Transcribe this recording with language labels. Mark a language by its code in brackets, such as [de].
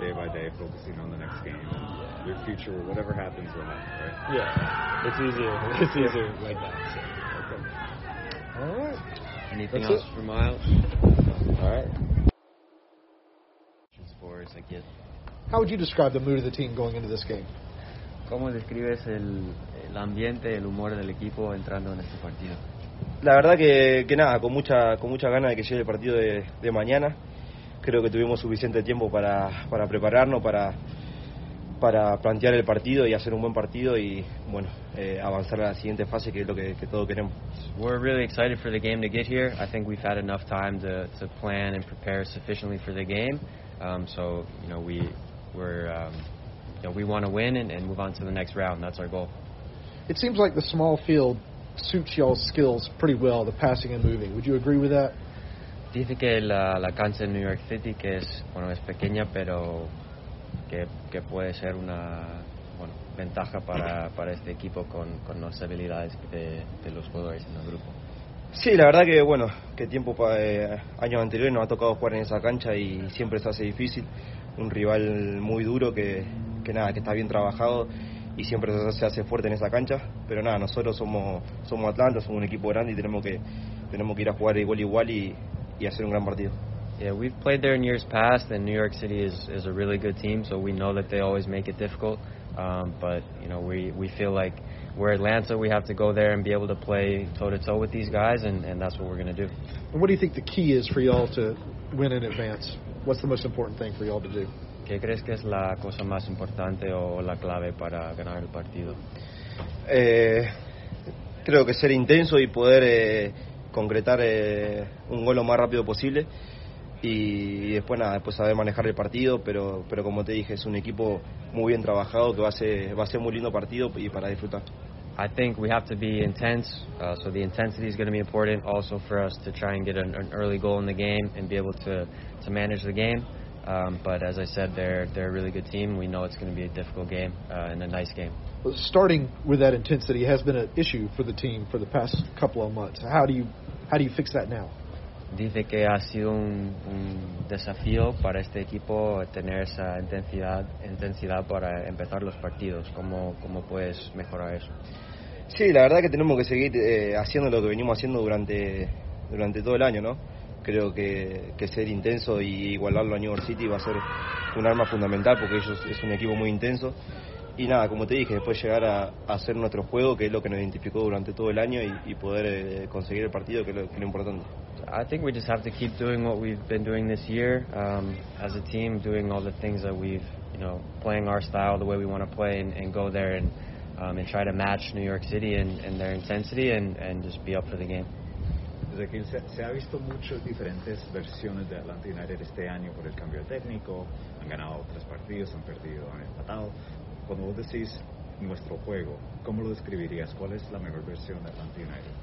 [en] Day by day, focusing on the next game and your future, whatever happens will happen, right? Yeah, it's easier. It's easier like that. So. Okay. All right. Anything else for Miles? All right. How would you describe the mood of the team going into this game? [es] ¿Cómo describes el ambiente, el humor del equipo entrando en este partido? La verdad que nada, con mucha ganas de que llegue el partido de mañana. Creo que tuvimos suficiente tiempo para prepararnos, para plantear el partido y hacer un buen partido y bueno, avanzar a la siguiente fase, que es lo que todos queremos. [en] We're really excited for the game to get here. I think we've had enough time to plan and prepare sufficiently for the game. So, you know, we want to win and move on to the next round. That's our goal. It seems like the small field suits y'all's skills pretty well, the passing and moving. Would you agree with that? [es] Dice que la cancha en New York City que es, bueno, es pequeña, pero que puede ser una, bueno, ventaja para este equipo con las habilidades de los jugadores en el grupo. Sí, la verdad que, bueno, que tiempo para años anteriores nos ha tocado jugar en esa cancha y siempre se hace difícil. Un rival muy duro que nada, que está bien trabajado y siempre se hace fuerte en esa cancha. Pero nada, nosotros somos Atlanta, somos un equipo grande y tenemos que ir a jugar igual y hacer un gran partido. [en] Yeah, we've played there in years past, and New York City is a really good team, so we know that they always make it difficult. But, you know, we feel like we're Atlanta, we have to go there and be able to play toe-to-toe with these guys, and that's what we're going to do. And what do you think the key is for y'all to win in advance? What's the most important thing for y'all to do? [es] ¿Qué crees que es la cosa más importante o la clave para ganar el partido? Creo que ser intenso y poder concretar un gol lo más rápido posible. Y después nada, después saber manejar el partido, pero como te dije, es un equipo muy bien trabajado que va a ser muy lindo partido y para disfrutar. [en] I think we have to be intense, so the intensity is going to be important also for us to try and get an early goal in the game and be able to manage the game. But as I said, they're a really good team. We know it's going to be a difficult game and a nice game. Well, starting with that intensity has been an issue for the team for the past couple of months. How do you fix that now? [es] dice que ha sido un desafío para este equipo tener esa intensidad para empezar los partidos. ¿Cómo puedes mejorar eso? Sí, la verdad que tenemos que seguir haciendo lo que venimos haciendo durante todo el año, ¿no? Creo que ser intenso y igualarlo a New York City va a ser un arma fundamental, porque ellos es un equipo muy intenso. Y nada, como te dije, después llegar a hacer nuestro juego, que es lo que nos identificó durante todo el año, y poder conseguir el partido, que es lo importante. [en] I think we just have to keep doing what we've been doing this year, as a team, doing all the things that we've, you know, playing our style the way we want to play, and go there and try to match New York City and their intensity and just be up for the game. [es] Se ha visto mucho diferentes versiones de Atlanta United este año por el cambio de técnico. Han ganado tres partidos, han perdido, han empatado. Cuando vos decís nuestro juego, ¿cómo lo describirías? ¿Cuál es la mejor versión de Atlanta United?